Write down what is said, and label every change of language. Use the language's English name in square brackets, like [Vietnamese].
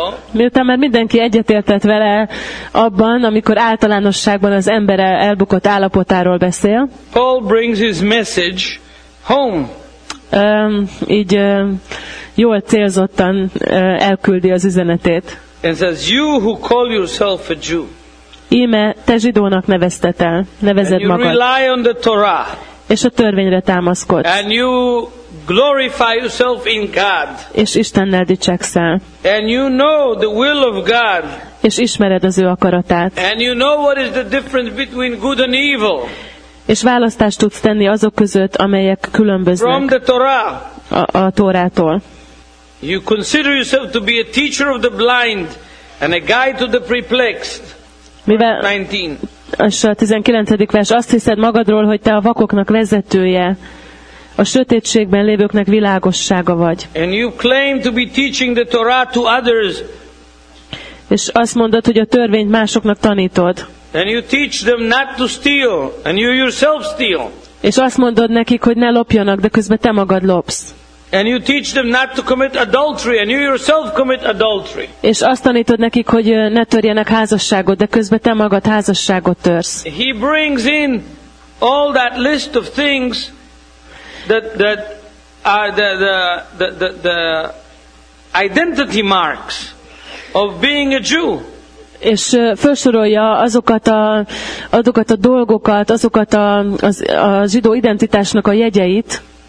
[Hungarian] miután már mindenki egyetértett vele abban, amikor általánosságban az ember elbukott állapotáról beszél. [English] Paul brings his message home. [Hungarian] Jól célzottan elküldi az üzenetét. [English] And says, you who call yourself a Jew. [Hungarian] Íme, te zsidónak nevezted el, nevezed magad. [English] And you rely on the Torah. [Hungarian] És a törvényre támaszkodsz. [English] And you glorify yourself in God. [Hungarian] És Istennel dicsekszel. [English] And you know the will of God. [Hungarian] És ismered az ő akaratát. [English] And you know what is the difference between good and evil. [Hungarian] És választást tudsz tenni azok között, amelyek különböznek. [English] From the Torah. [Hungarian] A Tórától. [English] You consider yourself to be a teacher of the blind and a guide to the perplexed. [Hungarian] Mivel 19. És a 19. vers, azt hiszed magadról, hogy te a vakoknak vezetője, a sötétségben lévőknek világossága vagy. [English] And you claim to be teaching the Torah to others. [Hungarian] És azt mondod, hogy a törvényt másoknak tanítod. [English] And you teach them not to steal, and you yourself steal. [Hungarian] És azt mondod nekik, hogy ne lopjanak, de közben te magad lopsz. [English] And you teach them not to commit adultery, and you yourself commit adultery. [Hungarian] És azt tanítod nekik, hogy ne törjenek házasságot, de közben te magad házasságot törsz. [English] He brings in all that list of things that are the identity marks of being a Jew. [Hungarian] És felsorolja azokat a dolgokat, azokat a zsidó identitásnak a jegyeit.